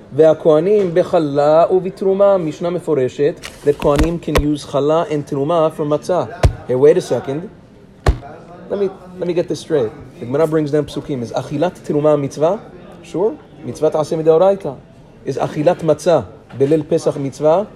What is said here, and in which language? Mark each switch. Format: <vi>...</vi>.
<he>והכהנים בחלה ובתרומה משנה מפורשת that כהנים</he> <en>can use</en> <he>חלה and תרומה for מצה.</he> <en>Hey, wait a second. Let me get this straight. The Gemara brings down פסוקים. Is אכילת תרומה מצווה? Sure.</en> <he>מצוות עשה מדאורייתא.</he> <en>Is אכילת מצה בליל פסח מצווה?</en>